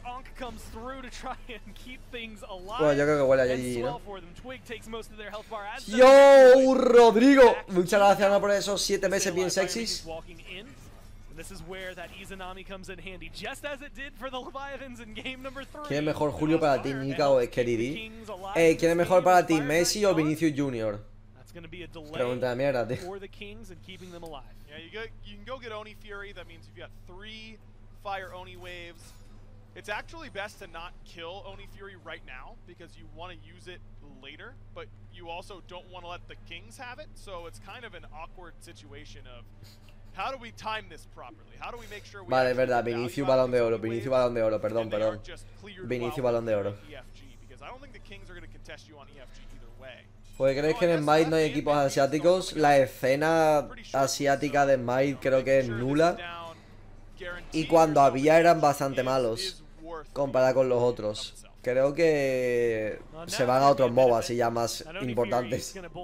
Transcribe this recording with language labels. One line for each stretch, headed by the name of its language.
English: Ankh comes through to try and keep things alive.
Spanish: Bueno, yo creo que huele allí,
English: and
Spanish: ¿no?
English: For them. Twig takes most of their health bar as
Spanish: yo, Rodrigo! Muchas gracias por esos 7 meses bien sexys.
English: This is where that Izanami comes in handy, just as it did for the Leviathans in game number 3.
Spanish: ¿Quién es mejor, Julio, para ti, Nika o Skeridi? ¿Quién es mejor para ti, Messi o Vinicius Jr.? Pregunta de mierda, tío.
English: For the Kings and keeping them alive. Yeah, you can go get Oni Fury. That means if you got 3 Fire Oni waves, It's actually best to not kill Oni Fury right now because you want to use it later, but you also don't want to let the Kings have it, so it's kind of an awkward situation of how do we time this properly? How do we make sure we
Spanish: Vale, es verdad, Vinicius balón de oro, perdón. Vinicius balón de oro.
English: EFG, because I don't think the Kings are going to contest you on EFG either way.
Spanish: Pues ¿crees que en Smite no hay equipos asiáticos? La escena asiática de Smite creo que es nula. Y cuando había eran bastante malos comparado con los otros. Creo que se van a otros MOBAs y ya más importantes.